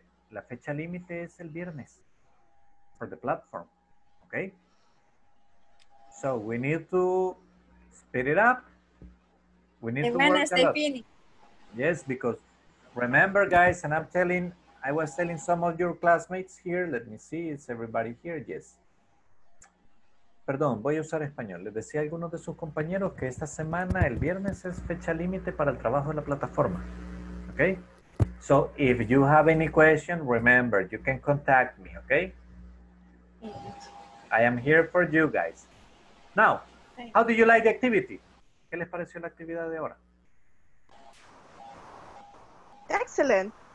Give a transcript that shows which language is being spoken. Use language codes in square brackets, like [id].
[es] La fecha límite es el viernes [en] for the platform. Okay? So we need to speed it up. We need to work a lot. Yes, because remember, guys, and I was telling some of your classmates here. Let me see, is everybody here? Yes. [es] Perdón, voy a usar español. Les decía a algunos de sus compañeros que esta semana, el viernes, es fecha límite para el trabajo en la plataforma. [en] Okay? So, if you have any question, remember, you can contact me, okay? I am here for you guys. Now, how do you like the activity? [es] ¿Qué les pareció la actividad de ahora? [en] Excellent.